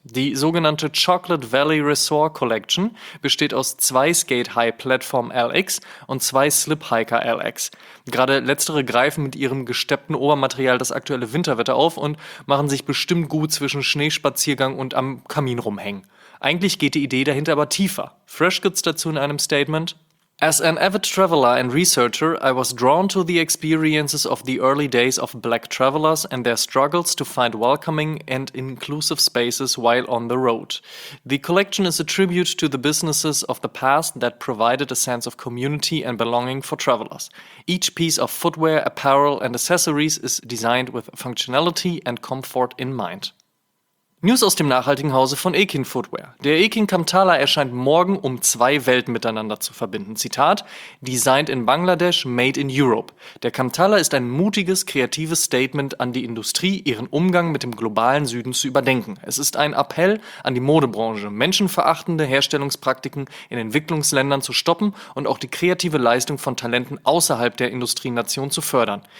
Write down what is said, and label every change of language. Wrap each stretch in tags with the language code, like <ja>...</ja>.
<de>Die sogenannte Chocolate Valley Resort Collection besteht aus 2 Skate High Platform LX und 2 Slip Hiker LX. Gerade letztere greifen mit ihrem gesteppten Obermaterial das aktuelle Winterwetter auf und machen sich bestimmt gut zwischen Schneespaziergang und am Kamin rumhängen. Eigentlich geht die Idee dahinter aber tiefer. Fresh gibt's dazu in einem Statement.</de> <en>As an avid traveler and researcher, I was drawn to the experiences of the early days of black travelers and their struggles to find welcoming and inclusive spaces while on the road. The collection is a tribute to the businesses of the past that provided a sense of community and belonging for travelers. Each piece of footwear, apparel and accessories is designed with functionality and comfort in mind.</en> <de>News aus dem nachhaltigen Hause von Ekin Footwear. Der Ekin Kamtala erscheint morgen, um 2 Welten miteinander zu verbinden.</de> <en>Zitat: Designed in Bangladesh, made in Europe.</en> <de>Der Kamtala ist ein mutiges, kreatives Statement an die Industrie, ihren Umgang mit dem globalen Süden zu überdenken. Es ist ein Appell an die Modebranche, menschenverachtende Herstellungspraktiken in Entwicklungsländern zu stoppen und auch die kreative Leistung von Talenten außerhalb der Industrienation zu fördern.</de>